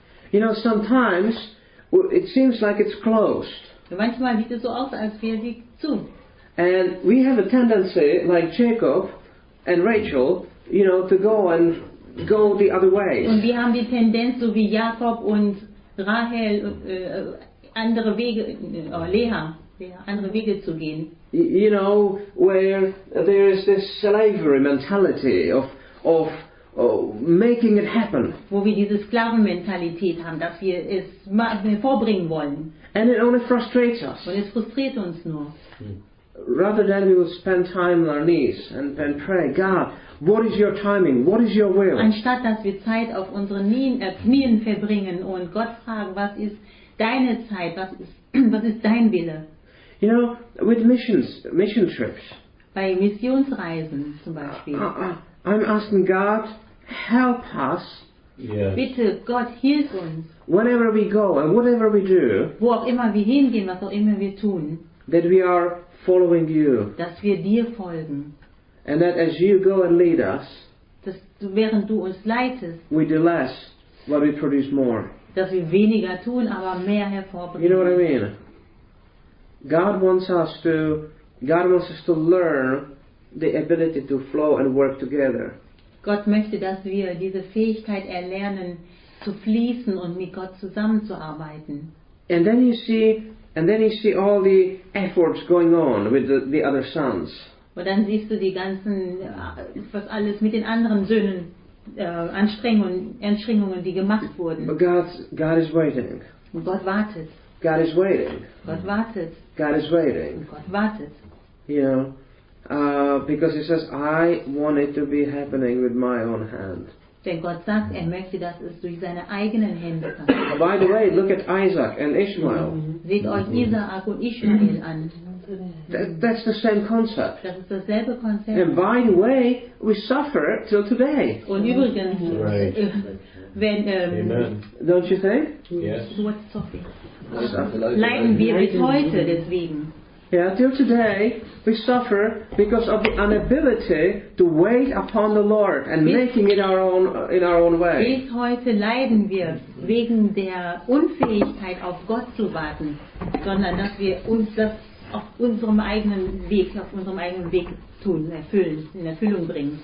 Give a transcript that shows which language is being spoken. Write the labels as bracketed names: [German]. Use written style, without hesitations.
[English] You know, sometimes it seems like it's closed. [German] Manchmal sieht es so aus, als wäre sie zu. [English] And we have a tendency, like Jacob and Rachel, you know, to go and go the other way. [German] Und wir haben die Tendenz, so wie Jakob und Rahel, andere Wege, Leah, andere Wege zu gehen. [English] You know, where there is this slavery mentality of making it happen. [German] Wo wir diese Sklavenmentalität haben, dass wir es vorbringen wollen. [English] And it only frustrates us. [German] Und es frustriert uns nur. [English] Rather than we will spend time on our knees and pray, God, what is your timing? What is your will? [German] Anstatt dass wir Zeit auf unseren Knien verbringen und Gott fragen, was ist deine Zeit? Was ist dein Wille? [English] You know, with mission trips. [German] Bei Missionsreisen zum Beispiel. [English] I'm asking God, help us. Yes. [German] Bitte, Gott, hilf uns. [English] Whenever we go and whatever we do. [German] Wo auch immer wir hingehen, was auch immer wir tun. [English] That we are following you. [German] Dass wir dir folgen. [English] And that as you go and lead us, [German] dass du, während du uns leitest, [English] we do less, but we produce more. [German] Dass wir weniger tun, aber mehr hervorbringen. [English] You know what I mean? God wants us to learn the ability to flow and work together. [German] Gott möchte, dass wir diese Fähigkeit erlernen, zu fließen und mit Gott zusammenzuarbeiten. [English] And then you see all the efforts going on with the other sons. [German] Und dann siehst du die ganzen, was alles mit den anderen Söhnen Anstrengungen, die gemacht wurden. [English] But God is waiting. [German] Und Gott wartet. [English] God is waiting. [German] Gott wartet. [English] God is waiting. [German] Gott wartet. [English] You know, because he says, I want it to be happening with my own hand. [German] Denn Gott sagt, er möchte, dass es durch seine eigenen Hände passiert. [English] By the way, look at Isaac and Ishmael. [German] Seht euch Isaak und Ishmael an. [English] That's the same concept. [German] Das ist dasselbe Konzept. [English] And by the way, we suffer till today. [German] Und übrigens, [English] right. [German] Wenn, [English] amen. Don't you think? Yes. What suffering? [German] Leiden wir bis heute deswegen. [English] Yeah, till today we suffer because of the inability to wait upon the Lord and making it in our own way. [German] Bis heute leiden wir wegen der Unfähigkeit, auf Gott zu warten, sondern dass wir uns das auf unserem eigenen Weg, tun, erfüllen, in Erfüllung bringen.